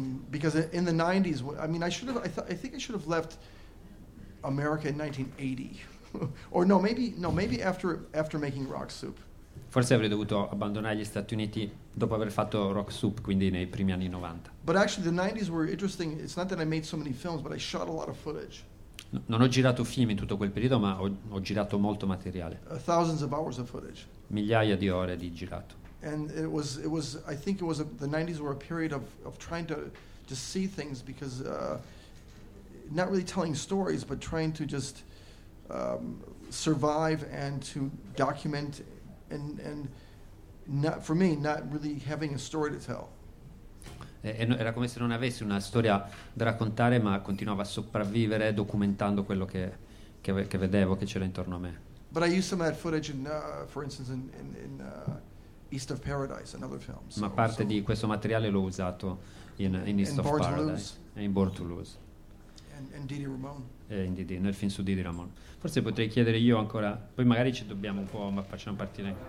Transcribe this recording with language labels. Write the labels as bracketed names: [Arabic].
[English] Because in the 90s, I mean, I think I should have left America in 1980, or maybe after making Rock Soup. [Italian] Forse avrei dovuto abbandonare gli Stati Uniti dopo aver fatto Rock Soup, quindi nei primi anni 90. [English] But actually, the 90s were interesting. It's not that I made so many films, but I shot a lot of footage. [Italian] No, non ho girato film in tutto quel periodo, ma ho girato molto materiale. [English] Thousands of hours of footage. [Italian] Migliaia di ore di girato. [English] And it was. I think it was the 90s were a period of trying to see things because not really telling stories, but trying to just survive and to document and not for me not really having a story to tell. [Italian] Era come se non avessi una storia da raccontare, ma continuavo a sopravvivere documentando quello che vedevo, che c'era intorno a me. [English] But I used some of that footage, for instance, in East of Paradise, another film. [Italian] Ma parte di questo materiale l'ho usato in East of Paradise e in Born to Lose. [English] And Didi Ramon. [Italian] E in Didi, nel film su Didi Ramon. Forse potrei chiedere io ancora, poi magari ci dobbiamo un po', ma facciamo partire.